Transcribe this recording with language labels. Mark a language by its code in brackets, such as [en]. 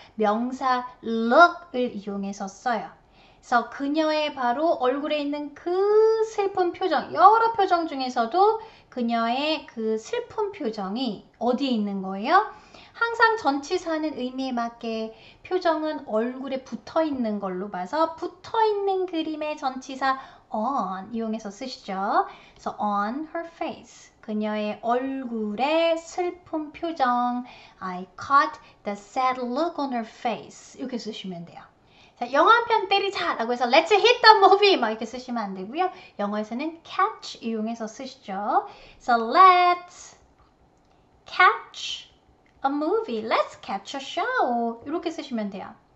[ko] 명사 look을 이용해서 써요. 그래서 그녀의 바로 얼굴에 있는 그 슬픈 표정, 여러 표정 중에서도 그녀의 그 슬픈 표정이 어디에 있는 거예요? 항상 전치사는 의미에 맞게 표정은 얼굴에 붙어 있는 걸로 봐서 붙어 있는 그림의 전치사 on 이용해서 쓰시죠. [en] So on her face. [ko] 그녀의 얼굴에 슬픈 표정. [en] I caught the sad look on her face. [ko] 이렇게 쓰시면 돼요. 자, 영화 한편 때리자라고 해서 [en] Let's hit the movie [ko] 막 이렇게 쓰시면 안 되고요. 영어에서는 catch 이용해서 쓰시죠. [en] So let's catch a movie. Let's catch a show. [ko] 이렇게 쓰시면 돼요.